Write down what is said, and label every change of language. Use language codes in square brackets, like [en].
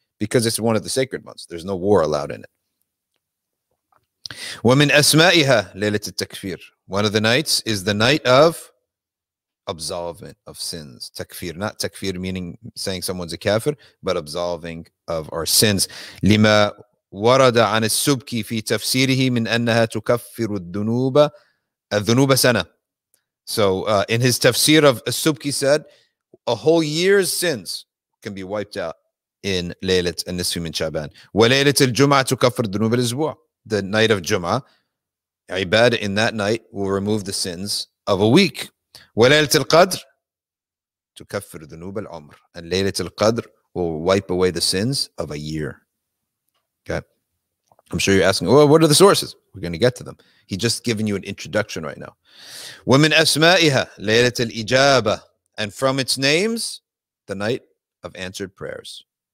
[en] Because it's one of the sacred months. There's no war allowed in it. [ar] وَمِنْ أَسْمَائِهَا لَيْلَةِ التَّكْفِيرِ. [en] One of the nights is the night of absolvement of sins. Takfir, not takfir meaning saying someone's a kafir, but absolving of our sins. [ar] لِمَا ورد عن السبكي في تفسيره من أنها تكفر الذنوب الذنوب سنة. [en] So in his tafsir of السبكي said, a whole year's sins can be wiped out in ليلة النصف من شعبان. [ar] وليلة الجمعة تكفر الذنوب الأسبوع. [en] The night of جمعة, عبادة in that night will remove the sins of a week. [ar] وليلة القدر تكفر ذنوب العمر. [en] And ليلة القدر will wipe away the sins of a year. Okay. I'm sure you're asking, well, what are the sources? We're going to get to them. He's just giving you an introduction right now. [ar] وَمِنْ أَسْمَائِهَا لَيْلَةِ الْإِجَابَةِ. [en] And from its names, the night of answered prayers.